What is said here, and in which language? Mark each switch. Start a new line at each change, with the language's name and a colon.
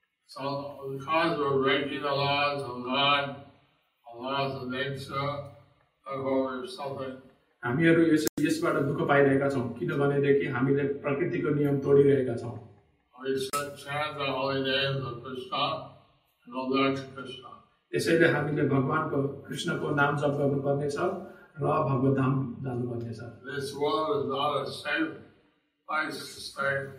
English: So because we're breaking the laws of God, the laws of nature, therefore we're suffering.
Nepali: हामीहरू यसबाट दुःख पाइरहेका छौँ किनभनेदेखि हामीले प्रकृतिको नियम तोडिरहेका छौँ.
English: We should chant the holy names of Krishna and Lord Krishna.
Nepali: त्यसैले हामीले भगवान्को कृष्णको नाम जप गर्नुपर्नेछ र भगवत धाम जानुपर्नेछ.
English: This world is not a safe place to stay.